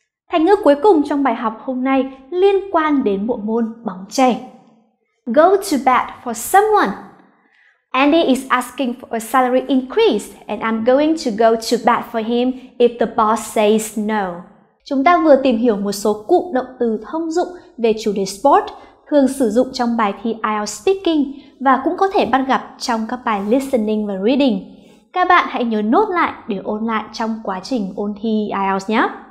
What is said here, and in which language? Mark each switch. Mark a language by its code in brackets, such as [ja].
[vi] Thành ngữ cuối cùng trong bài học hôm nay liên quan đến bộ môn bóng chày. [en] Go to bat for someone. Andy is asking for a salary increase and I'm going to go to bat for him if the boss says no. [vi] Chúng ta vừa tìm hiểu một số cụm động từ thông dụng về chủ đề sport thường sử dụng trong bài thi IELTS Speaking và cũng có thể bắt gặp trong các bài Listening và Reading. Các bạn hãy nhớ nốt lại để ôn lại trong quá trình ôn thi IELTS nhé.